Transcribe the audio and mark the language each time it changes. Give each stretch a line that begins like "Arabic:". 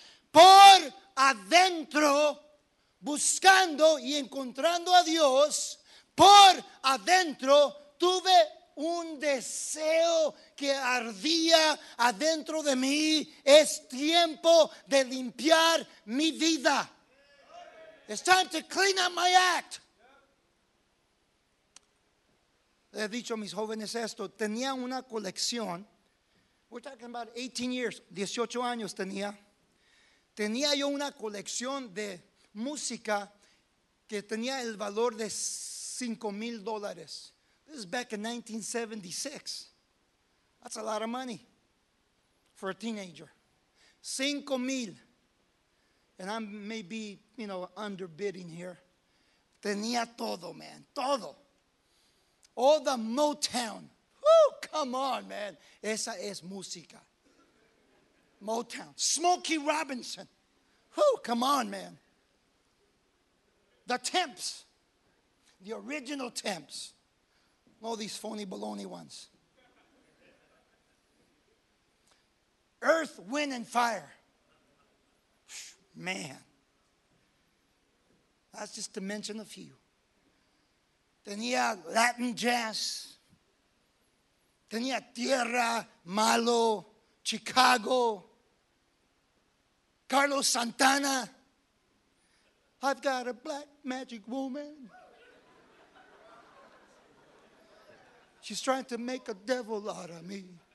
Spanish: Por adentro, buscando y encontrando a Dios, por adentro, tuve un deseo que ardía adentro de mí. Es tiempo de limpiar mi vida.
English: It's time to clean up my act.
Spanish: Le he dicho a mis jóvenes esto, tenía una colección, we're talking about 18 years, 18 años tenía. Tenía yo una colección de música que tenía el valor de $5,000.
English: This is back in 1976. That's a lot of money for a teenager. $5,000. And I may be, you know, underbidding here.
Spanish: Tenía todo, man, todo. All the Motown.
English: Woo, come on, man. Esa es música. Motown. Smokey Robinson. Woo, come on, man. The Temps. The original Temps. All these phony baloney ones. Earth, Wind, and Fire. Man. That's just to mention a few.
Spanish: Tenía Latin jazz, tenía Tierra, Malo, Chicago, Carlos Santana.
English: I've got a black magic woman. She's trying to make a devil out of me.